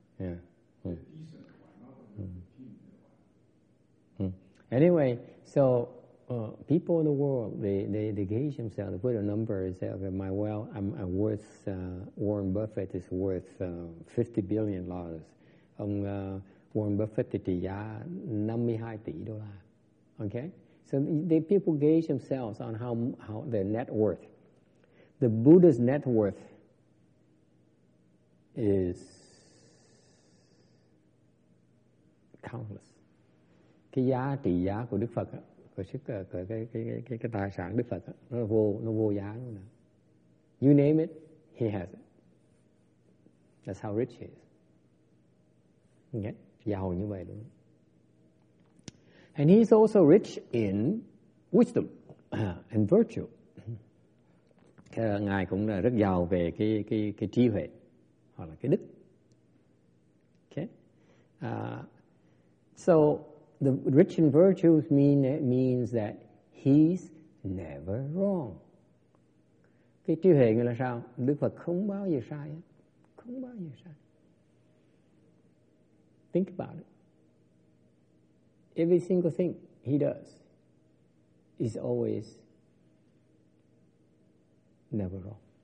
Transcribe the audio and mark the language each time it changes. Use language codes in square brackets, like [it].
[en] 45 a night, yeah. A decent one, not a Anyway, so people in the world, they gauge themselves, they put a number and say, okay, my wealth, I'm worth, Warren Buffett is worth $50 billion. [vi] Ông Warren Buffett thì trị giá 52 tỷ đô la. [en] Okay? So the people gauge themselves on how their net worth. The Buddha's net worth is countless. [vi] cái giá trị giá của Đức Phật á, của sức cái tài sản Đức Phật á, nó vô giá luôn đó. [en] You name it, he has it. That's how rich he is. Okay? [vi] Giàu như vậy luôn. [en] And he's also rich in wisdom and virtue. [vi] Ngài cũng là rất giàu về cái trí huệ hoặc là cái đức. [en] Okay. So the rich in virtues means that he's never wrong. [vi] Cái trí huệ nghĩa là sao? Đức Phật không bao giờ sai, không bao giờ sai. [en] Think about it. Every single thing he does is always never wrong.